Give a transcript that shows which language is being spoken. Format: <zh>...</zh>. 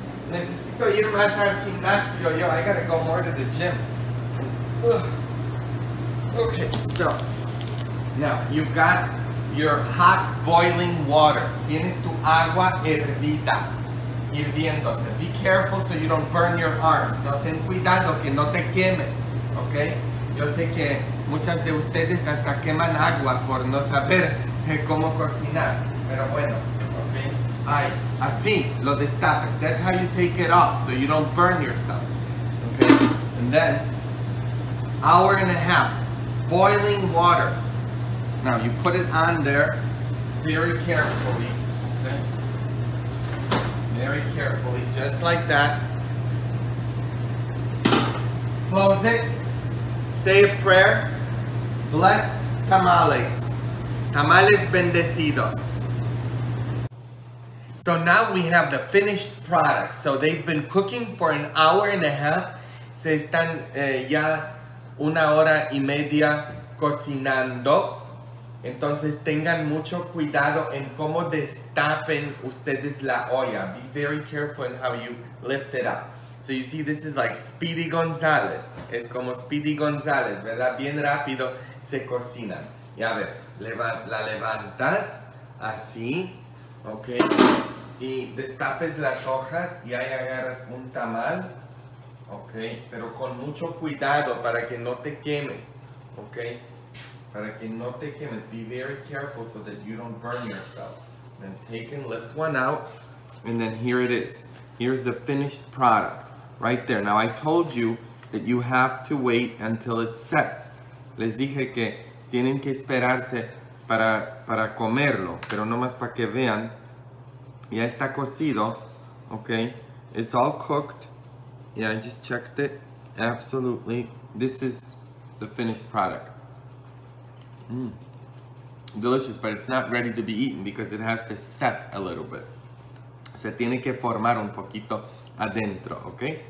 <es>Necesito ir más al gimnasio, yo. I gotta go more to the gym.</es> <en>Okay, so now you've got your hot boiling water.</en> <es>Tienes tu agua hervida, hirviéndose.</es> <en>Be careful so you don't burn your arms.</en> <es>No, ten cuidado que no te quemes, okay? Yo sé que muchas de ustedes hasta queman agua por no saber cómo cocinar. Pero bueno, okay. Ay, así lo destapes.</es> <en>That's how you take it off, so you don't burn yourself. Okay. And then, hour and a half, boiling water. Now you put it on there, very carefully. Okay. Very carefully, just like that. Close it. Say a prayer. Bless tamales. Tamales bendecidos. So now we have the finished product. So they've been cooking for an hour and a half.</en> <es>Se están ya una hora y media cocinando. Entonces tengan mucho cuidado en cómo destapen ustedes la olla.</es> <en>Be very careful in how you lift it up. So you see, this is like Speedy Gonzales.</en> <es>Es como Speedy Gonzales, ¿verdad? Bien rápido se cocinan. Y a ver, la levantas así, ¿ok? Y destapes las hojas y ahí agarras un tamal, ¿ok? Pero con mucho cuidado para que no te quemes, ¿ok? Para que no te quemes.</es> <en>Be very careful so that you don't burn yourself. Then take and lift one out. And then here it is. Here's the finished product, right there. Now, I told you that you have to wait until it sets.</en> <es>Les dije que tienen que esperarse para comerlo, pero no más para que vean.</es> <en>Ya está cocido, okay? It's all cooked. Yeah, I just checked it. Absolutely. This is the finished product. Mm. Delicious, but it's not ready to be eaten because it has to set a little bit.</en> <es>Se tiene que formar un poquito adentro, ¿ok?</es>